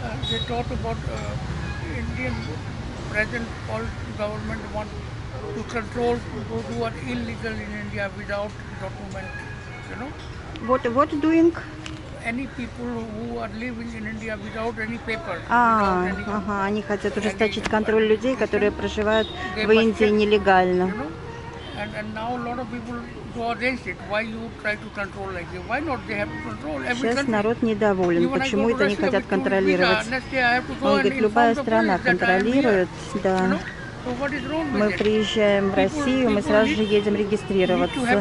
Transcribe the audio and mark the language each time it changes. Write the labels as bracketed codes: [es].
[en] they talk about Indian present government want to control people who are illegal in India without document, you know. What doing? Any people who are living in India without any paper. [ru] Они хотят ужесточить контроль людей, которые проживают в Индии нелегально. [en] And now a lot of people go against it. Why you try to control like this? Why not? They have to control everything. [ru] Сейчас народ недоволен. Почему это не хотят контролировать? Он говорит, любая страна контролирует, да. Мы приезжаем в Россию, мы сразу же едем регистрироваться.